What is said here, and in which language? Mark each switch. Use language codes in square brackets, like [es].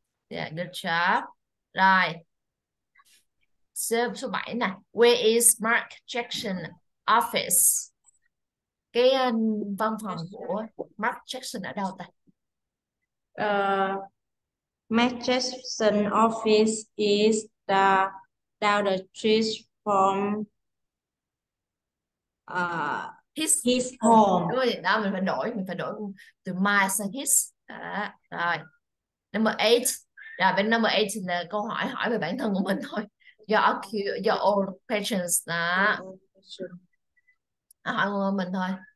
[en] Yeah, good job. [vi] Rồi. Số 7 nè. [en] Where is Mark Jackson office? [vi] Cái văn phòng của Mark Jackson ở đâu ta? [en] Jackson office is the down the street from His. his home. [vi] Rồi, đó mình phải đổi. Mình phải đổi từ my sang his. Đó. Rồi. [en] Number 8. [vi] Rồi bên number 8 là câu hỏi hỏi về bản thân của mình thôi. [en] Your old questions [vi] đó. Hỏi mình thôi.